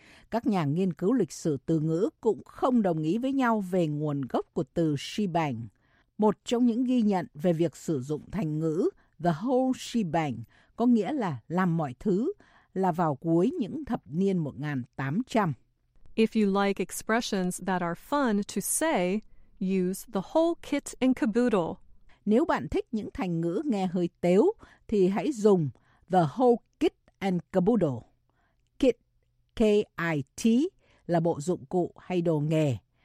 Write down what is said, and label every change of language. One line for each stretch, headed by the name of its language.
Vietnamese: Các nhà nghiên cứu lịch sử từ ngữ cũng không đồng ý với nhau về nguồn gốc của từ shebang. Một trong những ghi nhận về việc sử dụng thành ngữ
English: the whole shebang
Vietnamese: có nghĩa là làm mọi thứ là vào cuối những thập niên 1800.
English: If you like expressions that are fun to say, use the whole kit and caboodle.
Vietnamese: Nếu bạn thích những thành ngữ nghe hơi tếu, thì hãy dùng
English: the whole kit and caboodle.
Vietnamese: Kit, K-I-T, là bộ dụng cụ hay đồ nghề.